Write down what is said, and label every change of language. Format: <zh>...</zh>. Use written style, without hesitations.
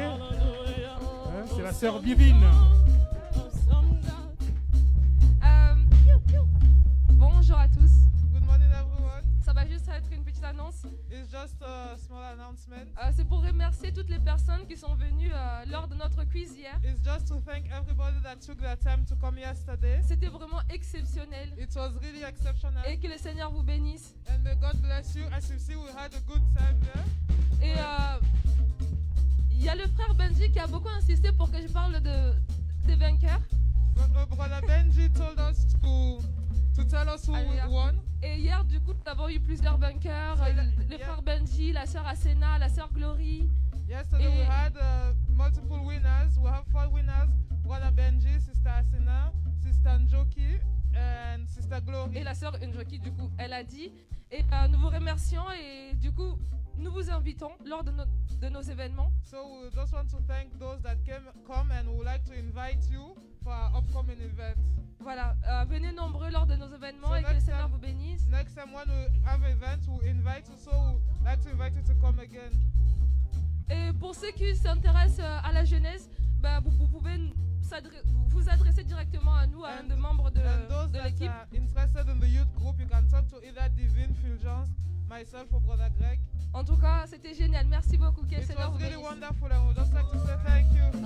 <fr>Hein, c'est la sœur Vivine. Bonjour à tous.</fr> <en>Good morning, everyone.</en> <fr>Ça va juste être une petite annonce.</fr> <en>It's just a small announcement.</en> <fr>C'est pour remercier toutes les personnes qui sont venues lors de notre quiz hier.</fr> <en>It's just to thank everybody that took their time to come yesterday.</en> <fr>C'était vraiment exceptionnel.</fr> <en>It was really exceptional.</en> <fr>Et que le Seigneur vous bénisse.</fr> <en>And may God bless you. As you see, we had a good time there.</en> <fr>Et il y a le frère Benji qui a beaucoup insisté pour que je parle de vainqueurs.</fr> <en>Brother Benji told us to tell us who won.</en> <fr>Et hier, du coup, nous avons eu plusieurs vainqueurs. Frère Benji, la sœur Asena, la sœur Glory.</fr> <en>Yesterday we had multiple winners. We have 4 winners. Brother Benji, Sister Asena, Sister Njoki and Sister Glory.</en> <fr>Et la sœur Njoki, du coup, elle a dit. Et nous vous remercions et du coup, nous vous invitons lors de nos événements.</fr> <en>So we just want to thank those that come and we would like to invite you for our upcoming event.</en> <fr>Voilà, venez nombreux lors de nos événements et que le Seigneur vous bénisse.</fr> <en>Next time when we have an event, we invite you, so we would like to invite you to come again.</en> <fr>Et pour ceux qui s'intéressent à la jeunesse, vous pouvez vous adresser directement à nous, à un des membres de l'équipe.</fr> <en>And those that are interested in the youth group, you can talk to either Divine Fulgence, myself or Brother Greg.</en> <fr>En tout cas, c'était génial. Merci beaucoup, que le Seigneur vous bénisse.</fr> <en>It was really wonderful and we would just like to say thank you.</en>